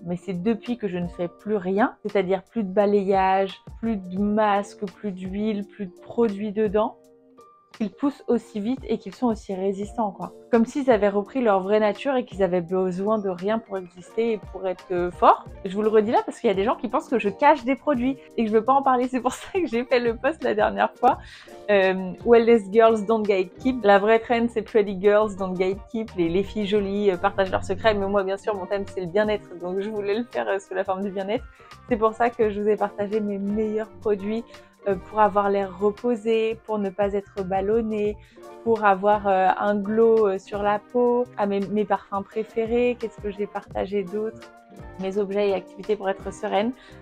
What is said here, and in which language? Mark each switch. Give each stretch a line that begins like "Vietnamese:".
French: Mais c'est depuis que je ne fais plus rien, c'est-à-dire plus de balayage, plus de masque, plus d'huile, plus de produits dedans, qu'ils poussent aussi vite et qu'ils sont aussi résistants, quoi. Comme s'ils avaient repris leur vraie nature et qu'ils avaient besoin de rien pour exister et pour être forts. Je vous le redis là parce qu'il y a des gens qui pensent que je cache des produits et que je ne veux pas en parler. C'est pour ça que j'ai fait le post la dernière fois.
English: Wellness girls don't gatekeep.
French: La vraie trend, c'est
English: pretty girls don't gatekeep.
French: Les filles jolies partagent leurs secrets. Mais moi, bien sûr, mon thème, c'est le bien-être. Donc, je voulais le faire sous la forme du bien-être. C'est pour ça que je vous ai partagé mes meilleurs produits pour avoir l'air reposé, pour ne pas être ballonné, pour avoir un glow sur la peau, à mes parfums préférés, qu'est-ce que j'ai partagé d'autre, mes objets et activités pour être sereine.